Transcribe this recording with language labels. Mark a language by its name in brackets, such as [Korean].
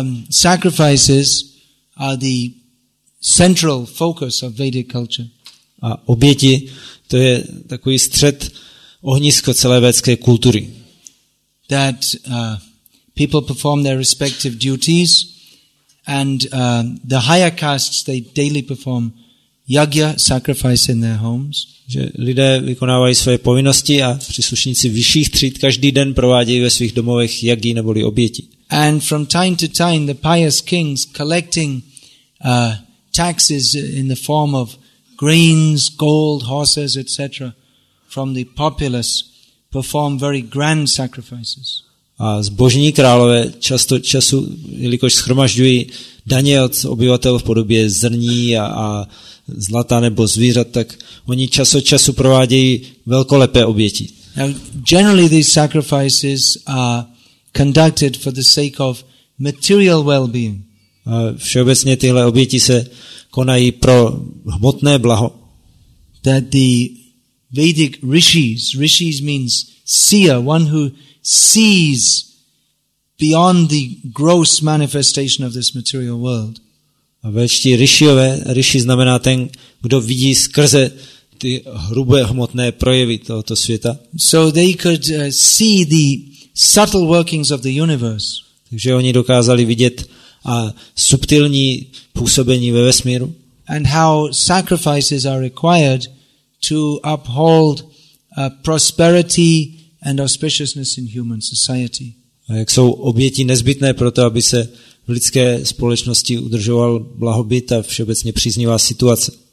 [English] Sacrifices are the central focus of Vedic culture. [Czech] A oběti, to je takový střed, ohnisko celé védské kultury. [English] That people perform their respective duties and the higher castes, they daily perform yagya, sacrifice in their homes. [Czech] Že lidé vykonávají svoje povinnosti a příslušníci vyšších tříd každý den provádějí ve svých domovech yagi neboli oběti. [English] And from time to time the pious kings collecting taxes in the form of grains, gold, horses, etc. from the populace perform very grand sacrifices. [Czech] A zbožní králové často času, jelikož shromažďují daně od obyvatel v podobě zrní a zlata nebo zvířat, tak oni čas od času provádějí velkolepé oběti. [English] Now, generally these sacrifices are conducted for the sake of material well-being. [Czech] A všeobecně tyhle oběti se konají pro hmotné blaho. [English] That the Vedic rishis, rishis means seer, one who sees beyond the gross manifestation of this material world. [Czech] A veští rishiové, rishi znamená ten, kdo vidí skrze ty hrubé hmotné projevy tohoto světa. [English] So they could see the subtle workings of the universe. [Czech] Takže oni dokázali vidět a subtilní působení ve vesmíru. [English] And how sacrifices are required to uphold prosperity and auspiciousness in human society. [Czech] A jak jsou oběti nezbytné pro to, aby se v lidské společnosti udržoval blahobyt a všeobecně příznivá situace.